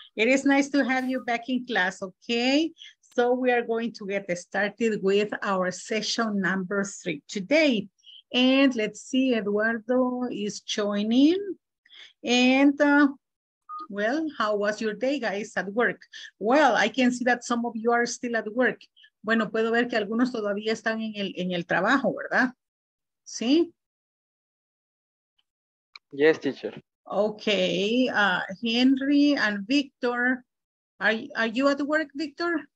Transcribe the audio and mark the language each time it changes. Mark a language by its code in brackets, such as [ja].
[en] It is nice to have you back in class, okay? So we are going to get started with our session number 3 today. And let's see, Eduardo is joining. And well, how was your day, guys, at work? Well, I can see that some of you are still at work. [es] Bueno, puedo ver que algunos todavía están en el trabajo, ¿verdad? Sí. [en] Yes, teacher. Okay, Henry and Victor, are you at work, Victor?